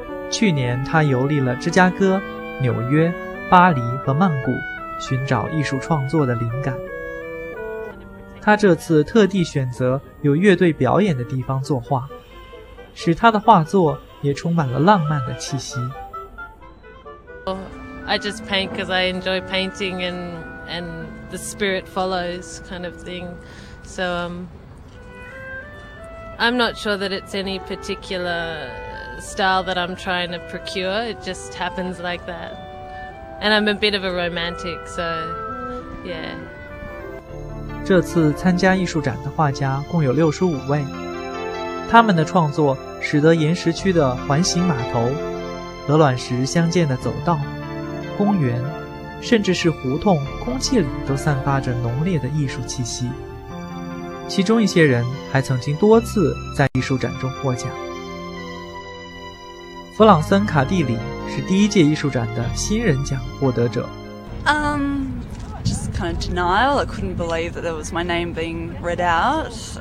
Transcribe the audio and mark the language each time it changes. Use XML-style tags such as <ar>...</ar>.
<zh>去年他游历了芝加哥、纽约、巴黎和曼谷，寻找艺术创作的灵感。他这次特地选择有乐队表演的地方作画，使他的画作也充满了浪漫的气息。</zh> <en>I just paint because I enjoy painting and the spirit follows kind of thing. So I'm not sure that it's any particular style that I'm trying to procure. It just happens like that. And I'm a bit of a romantic, so yeah.</en> <zh>这次参加艺术展的画家共有65位。他们的创作使得岩石区的环形码头、鹅卵石相间的走道、公园，甚至是胡同，空气里都散发着浓烈的艺术气息。其中一些人还曾经多次在艺术展中获奖。弗朗森·卡蒂里是第一届艺术展的新人奖获得者。</zh> <en>Just kind of denial. I couldn't believe that there was my name being read out.</en>